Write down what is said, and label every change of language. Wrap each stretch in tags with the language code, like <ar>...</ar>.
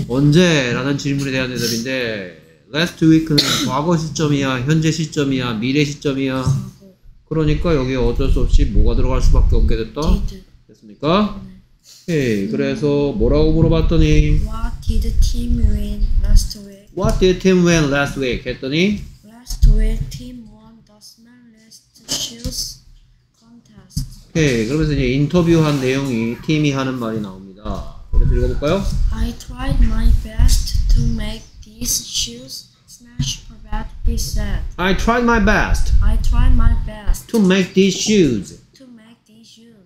<ko>언제라는 질문에 대한 대답인데. Last week는 과거 시점이야, 현재 시점이야, 미래 시점이야. 그러니까 여기에 어쩔 수 없이 뭐가 들어갈 수밖에 없게 됐다. 됐습니까? 네. 오케이. 그래서 뭐라고 물어봤더니</ko> <en>What did team win last week? What did team win last week?</en> <ko>했더니</ko> <en>Last week team won the smallest shoes contest.</en> <ko>오케이. 그러면서 이제 인터뷰한 내용이 팀이 하는 말이 나옵니다. 그래서 읽어볼까요?</ko> <en>I tried my best to make His shoes smash for bad, he said. I tried my best. I tried my best. To make these shoes. To make these shoes.</en>